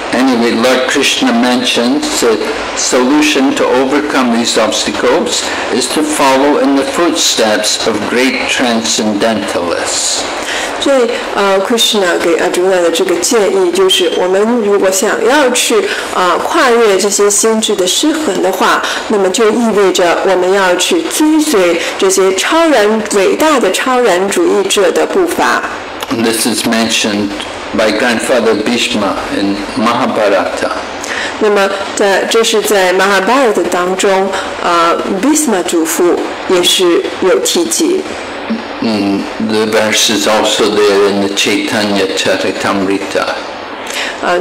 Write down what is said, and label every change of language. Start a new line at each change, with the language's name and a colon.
English: Anyway, Lord Krishna mentions the solution to overcome these obstacles is to follow in the footsteps of great transcendentalists.
Chinese: 所以Krishna 给 Arjuna 的这个建议就是，我们如果想要去跨越这些心智的失衡的话，那么就意味着我们要去追随这些超然伟大的超然主义者的步伐。
English: This is mentioned by Grandfather Bhishma in Mahabharata.
Chinese: 那么在这是在 Mahabharata 当中Bhishma 祖父也是有提及。
English: The verse is also there in the Chaitanya Charitamrita.